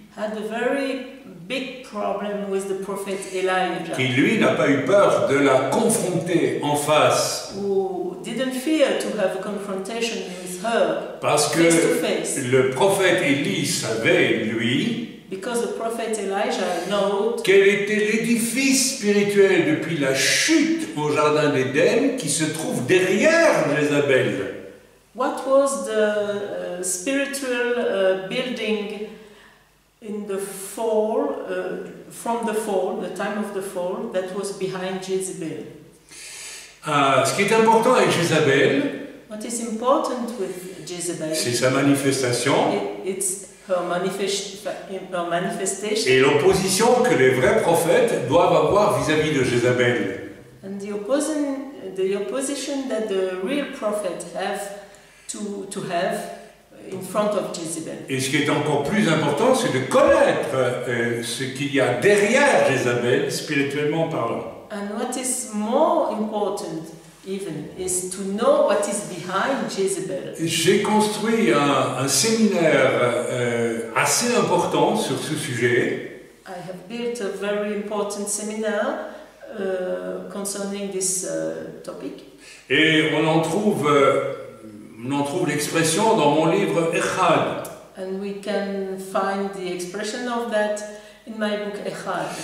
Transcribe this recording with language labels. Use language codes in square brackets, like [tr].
[en] Had a very big problem with the prophet Elijah. [fr] Qui lui n'a pas eu peur de la confronter en face. [en] Who didn't fear to have a confrontation with her. [fr] Parce que le prophète Élie savait lui. [en] Because the prophet Elijah knew [fr] quel était l'édifice spirituel depuis la chute au jardin d'Éden qui se trouve derrière Jézabel. [en] What was the spiritual building in the fall from the fall, the time of the fall that was behind Jezebel? [fr] Ce qui est important avec Jézabel, [en] what is important with Jezebel? [fr] C'est sa manifestation. [en] Her manifestation. [fr] Et l'opposition que les vrais prophètes doivent avoir vis-à-vis de Jézabel. [en] And the opposition that the real prophets have to have in front of Jezebel. [fr] Et ce qui est encore plus important, c'est de connaître ce qu'il y a derrière Jézabel, spirituellement parlant. [en] And what is more important even is to know what is behind Jezebel. [fr] J'ai construit un séminaire assez important sur ce sujet. [en] I have built a very important seminar concerning this topic. [fr] Et on en trouve l'expression dans mon livre Echad. [en] And we can find the expression of that in my book Echad.